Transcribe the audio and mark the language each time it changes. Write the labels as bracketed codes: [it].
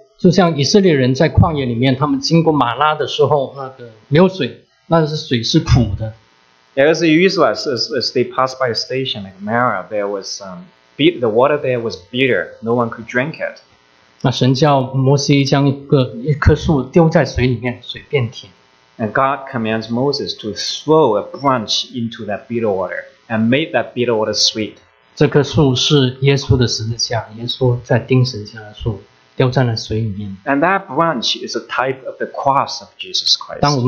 [zh] 就像以色列人在旷野里面，他们经过马拉的时候，那个流水，那是水是苦的。 [en] Yeah, as the Israelites, as they passed by a station like Marah, there was the water there was bitter. No one could drink it. [zh] 那神叫摩西将一棵树丢在水里面，水变甜。 [en] And God commands Moses to throw a branch into that bitter water and make that bitter water sweet. [zh] 这棵树是耶稣的十字架，耶稣在钉十字架的树。 [en] And that branch is a type of the cross of Jesus Christ.